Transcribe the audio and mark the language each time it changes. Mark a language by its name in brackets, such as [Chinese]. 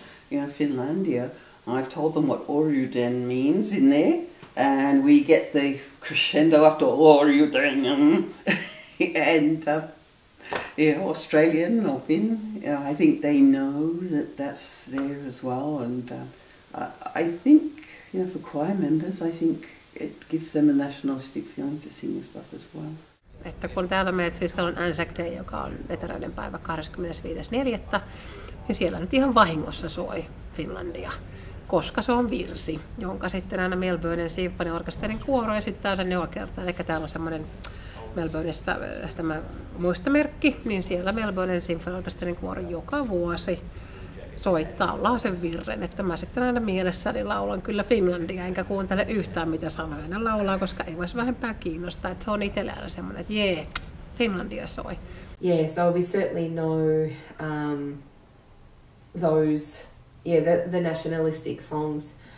[English] Finlandia, I've told them what Oruden means in there, and we get the crescendo after Oruden. And Australian or Finn, I think they know that that's there as well. And I think, for choir members, I think it gives them a nationalistic feeling to sing this stuff as well. [Finnish] Että kun täällä meet, siis täällä on Anzac Day, joka on veteraanien päivä 25.4., niin siellä nyt ihan vahingossa soi Finlandia, koska se on virsi, jonka sitten aina Melbourneen sinfoniorkesterin kuoro esittää sen joka kerta. Eli täällä on semmoinen Melbourneissa tämä muistomerkki, niin siellä Melbourneen sinfoniorkesterin kuoro joka vuosi soittaa ollaan sen virren, että mä sitten aina mielessäni laulan kyllä Finlandia, enkä kuuntele yhtään mitä sanoja ne laulaa, koska ei voisi vähempää kiinnostaa, että se on itselle aina semmoinen, että jee, Finlandia soi. [English] Yeah, so we certainly know the nationalistic songs.